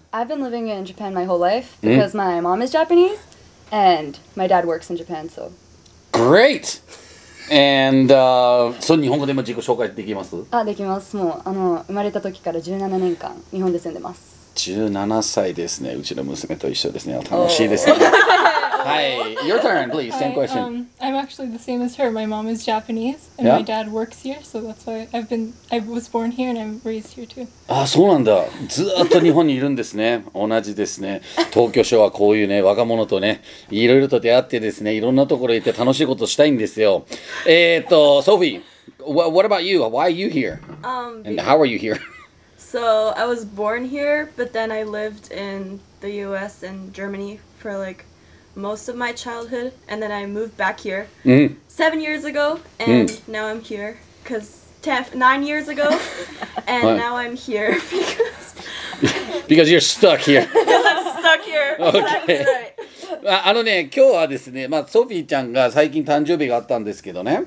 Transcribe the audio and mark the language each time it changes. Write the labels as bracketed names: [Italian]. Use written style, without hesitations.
[English] I've been living in Japan my whole life because my mom is Japanese and my dad works in Japan, so. Great! And, [Japanese] そう日本語でも自己紹介できます？あ、できます。もう、あの、生まれた時から17年間、日本で住んでます。 17歳ですね。うちの娘と一緒ですね。楽しいですね。はい。 [English] Your turn, please. Same question. I'm actually the same as her. My mom is Japanese, and my dad works here, so that's why I was born here and I'm raised here too. [Japanese] あ、そうなんだ。ずっと日本にいるんですね。同じですね。東京ショーはこういうね、若者とね、いろいろと出会ってですね、いろんなところ行って楽しいことしたいんですよ。 [English] Sophie, what about you? Why are you here? And how are you here? So, I was born here, but then I lived in the US and Germany for like most of my childhood, and then I moved back here 7 years ago, and now I'm here because 9 years ago, and now I'm here because you're stuck here. Because I'm stuck here. Okay. Exactly right. [Japanese] あのね、今日はですね、まあ、ソフィーちゃんが最近誕生日があったんですけどね。